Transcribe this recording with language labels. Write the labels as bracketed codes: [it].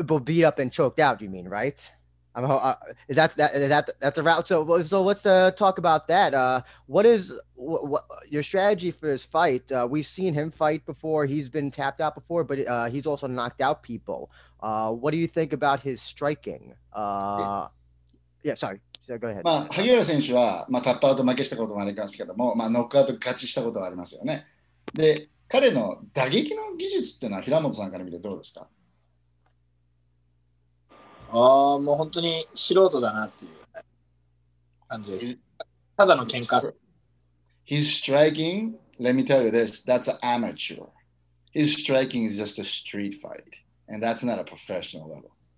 [en] Beat up and choked out, you mean, right? That's the route. So let's talk about that. What is your strategy for this fight? We've seen him fight before. He's been tapped out before, but he's also knocked out people. What do you think about his striking? Go ahead. [ja] まあ、萩原選手は、まあ、タップアウト負けしたこともありますけども、まあ、ノックアウト勝ちしたこともありますよね。で、彼の打撃の技術っていうのは平本さんから見てどうですか？ああ、もう本当に素人だなっていう感じです。ただの喧嘩。 [en] His striking, let me tell you this, that's an amateur. His striking is just a street fight, and that's not a professional level.